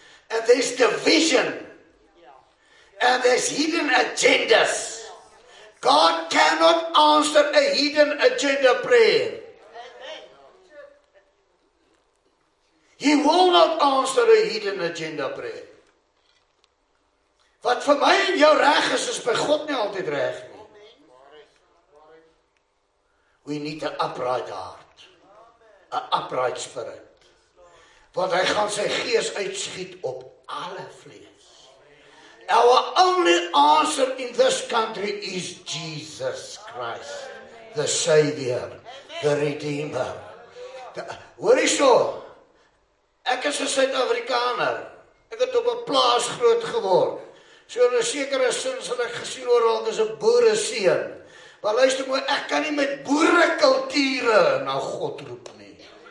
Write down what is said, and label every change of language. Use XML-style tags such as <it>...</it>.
<en>And there's division. And there's hidden agendas. God cannot answer a hidden agenda prayer. He will not answer a hidden agenda prayer.</en> <af>Wat vir my en jou reg is, is by God nie altyd reg nie.</af> <en>We need an upright heart. An upright spirit.</en> <af>Want hy gaan sy gees uitschiet op alle vlees.</af> <en>Our only answer in this country is Jesus Christ, the Savior, the Redeemer.</en> <af>Hoor hierso, ek is 'n Suid-Afrikaner. Ek het op 'n plaas groot geword. So in 'n sekere sin sal ek gesien oor al dis 'n boere seun. Maar luister mooi, ek kan nie met boere kulture na God roep nie.</af>